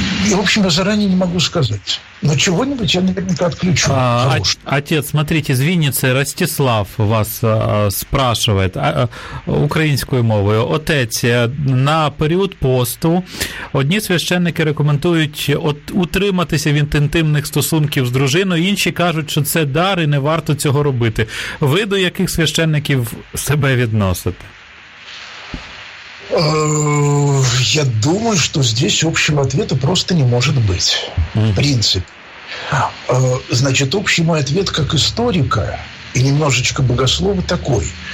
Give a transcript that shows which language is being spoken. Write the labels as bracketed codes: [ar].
[ru] И, в общем, я заранее не могу сказать. Но чего-нибудь я наверняка отключу. Отец, смотрите, из Винницы Ростислав вас спрашивает [uk] українською мовою. Отець, на період посту одні священники рекомендують утриматися від інтимних стосунків з дружиною, інші кажуть, що це дар і не варто цього робити. Ви до яких священників себе відносите? [ru] Я думаю, что здесь общего ответа просто не может быть. В принципе. Значит, общий мой ответ как историка и немножечко богослова такой.